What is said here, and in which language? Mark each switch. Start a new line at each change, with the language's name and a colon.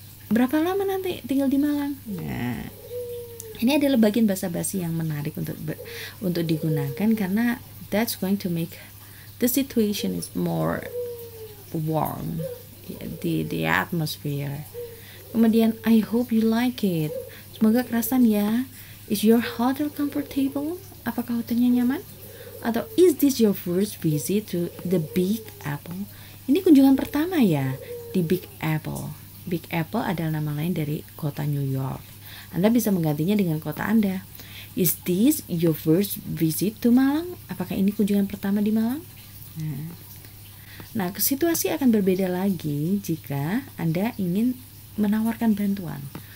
Indonesian: Berapa lama nanti tinggal di Malang? Nah, ini adalah bagian bahasa basi yang menarik untuk digunakan karena that's going to make the situation is more warm, the atmosphere.
English: Kemudian, I hope you like it. Semoga kerasan ya. Is your hotel comfortable? Apakah hotelnya nyaman? Atau, is this your first visit to the Big Apple?
Indonesian: Ini kunjungan pertama ya, di Big Apple. Big Apple adalah nama lain dari kota New York. Anda bisa menggantinya dengan kota Anda. Is this your first visit to Malang? Apakah ini kunjungan pertama di Malang? Nah. Nah, situasi akan berbeda lagi jika Anda ingin menawarkan bantuan.